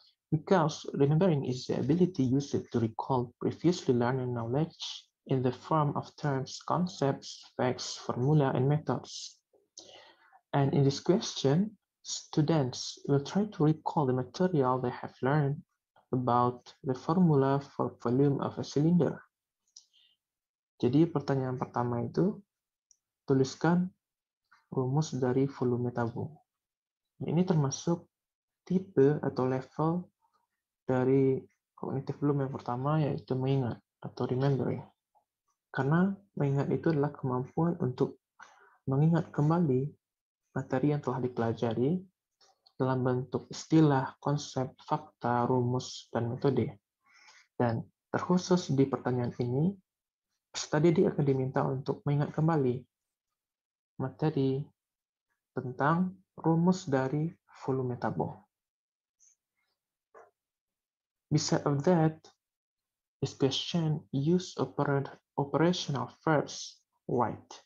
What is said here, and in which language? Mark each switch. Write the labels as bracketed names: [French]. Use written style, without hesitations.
[English] Because remembering is the ability used to recall previously learned knowledge in the form of terms, concepts, facts, formula, and methods. And in this question, students will try to recall the material they have learned about the formula for volume of a cylinder. [Indonesian] Jadi pertanyaan pertama itu, tuliskan rumus dari volume tabung. Ini termasuk tipe atau level dari kognitif belum yang pertama, yaitu mengingat atau remembering. Karena mengingat itu adalah kemampuan untuk mengingat kembali materi yang telah dipelajari dalam bentuk istilah, konsep, fakta, rumus, dan metode. Dan terkhusus di pertanyaan ini, peserta didik akan diminta untuk mengingat kembali materi tentang rumus dari volume tabung. [English] Besides of that, this question use operational verbs, right?